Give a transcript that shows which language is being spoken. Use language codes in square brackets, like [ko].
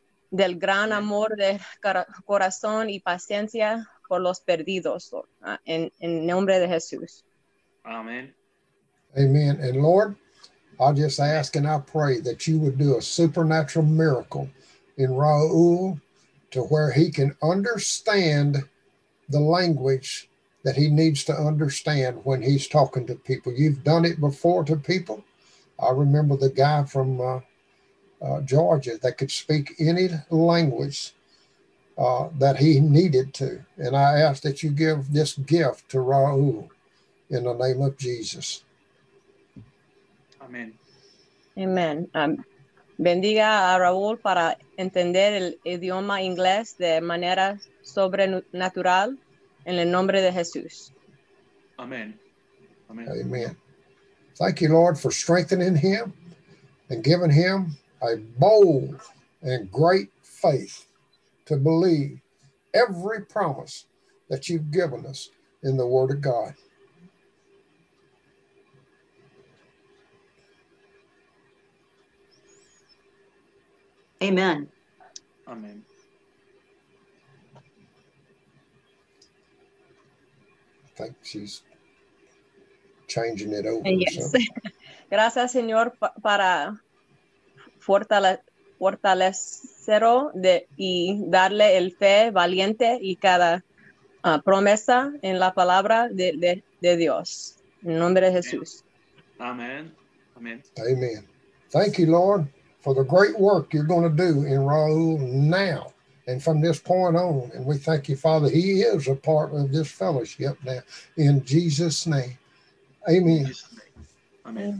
[es] del gran amor de corazón y paciencia por los perdidos, Lord, en nombre de Jesús. Amen. Amen. [en] And Lord, I just ask and I pray that you would do a supernatural miracle in Raul to where he can understand the language that he needs to understand when he's talking to people. You've done it before to people. I remember the guy from Georgia that could speak any language that he needed to. And I ask that you give this gift to Raul in the name of Jesus. Amen. Amen. [es] Bendiga a Raul para entender el idioma inglés de manera sobrenatural. En el nombre de Jesús. Amen. Amen. Amen. [en] Thank you, Lord, for strengthening him and giving him a bold and great faith to believe every promise that you've given us in the Word of God. Amen. Amen. I think she's changing it over. Yes. So. [es] Gracias, Señor, para fortalecerlo y darle el fe valiente y cada promesa en la palabra de Dios. En nombre de Jesús. Amen. Amen. Amen. [en] Thank you, Lord, for the great work you're going to do in Raul now. And from this point on, and we thank you, Father, he is a part of this fellowship now. In Jesus' name, amen. Amen.